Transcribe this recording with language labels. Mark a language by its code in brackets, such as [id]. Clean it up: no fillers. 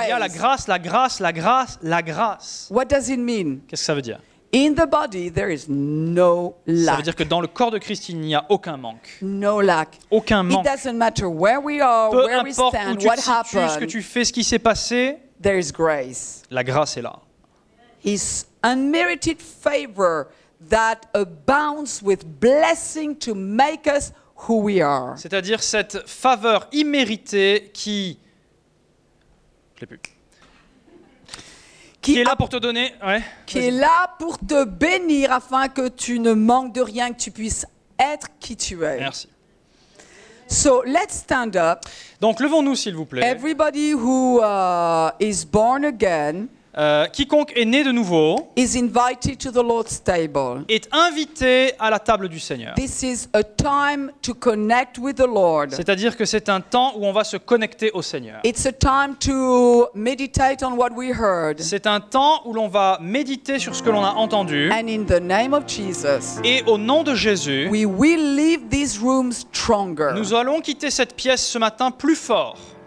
[fr] Qu'il y a la grâce, la grâce, la grâce, la grâce. [en] What does it mean? [fr] Qu'est-ce que ça veut dire? [en] In the body, there is no lack. [fr] Ça veut dire que dans le corps de Christ, il n'y a aucun manque. [en] No lack. [fr] Aucun manque. [en] It doesn't matter where we are, [fr] peu [en] where [fr] importe [en] we stand, [fr] où tu [en] what happened. [fr] Ce que tu fais, ce qui s'est passé. [en] There is grace. [fr] La grâce est là. [en] His unmerited favor that abounds with blessing to make us who we are. [fr] C'est-à-dire cette faveur imméritée qui. Je l'ai plus. Qui est là pour te donner, ouais. Qui est là pour te bénir afin que tu ne manques de rien, que tu puisses être qui tu es. Merci. [en] So let's stand up. [fr] Donc levons-nous s'il vous plaît. [en] Everybody who is born again. [fr] Quiconque est né de nouveau. [en] Is invited to the Lord's table. [fr] Est invité à la table du Seigneur. [en] This is a time to connect with the Lord. [fr] C'est-à-dire que c'est un temps où on va se connecter au Seigneur. [en] It's a time to meditate on what we heard. [fr] C'est un temps où l'on va méditer sur ce que l'on a entendu. [en] And in the name of Jesus. [fr] Et au nom de Jésus. [en] We will leave these rooms stronger. [fr] Nous allons quitter cette pièce ce matin plus fort.